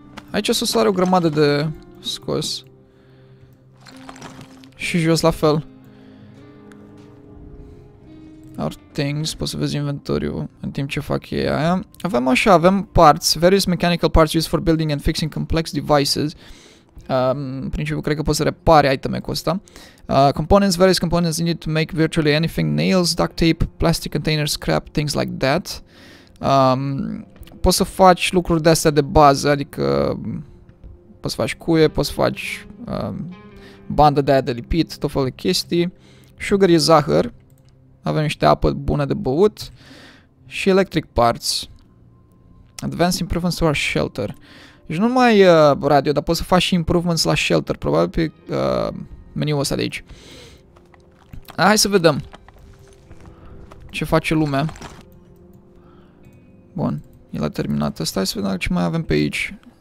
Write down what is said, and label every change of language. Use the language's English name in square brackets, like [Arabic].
[Romanian] Aici o să sare o grămadă de scos. Și jos la fel. [English] Our things. [Romanian] Poți să vezi inventoriu în timp ce fac ei aia. Avem așa, avem parts. [English] Various mechanical parts used for building and fixing complex devices. [Romanian] În principiu cred că poți să repari iteme cu ăsta. [English] Components, various components needed to make virtually anything. Nails, duct tape, plastic containers, scrap, things like that. [Romanian] Poți să faci lucruri de-astea de bază, adică poți să faci cuie, poți să faci bandă de aia de lipit, tot felul de chestii. Sugar e zahăr. Avem niște apă bună de băut. Și electric parts. [English] Advanced improvements to our shelter. [Romanian] Deci nu numai radio, dar poți să faci și improvements la shelter, probabil pe meniul ăsta de aici. Hai să vedem ce face lumea. Bun, el a terminat ăsta. Hai să vedem ce mai avem pe aici.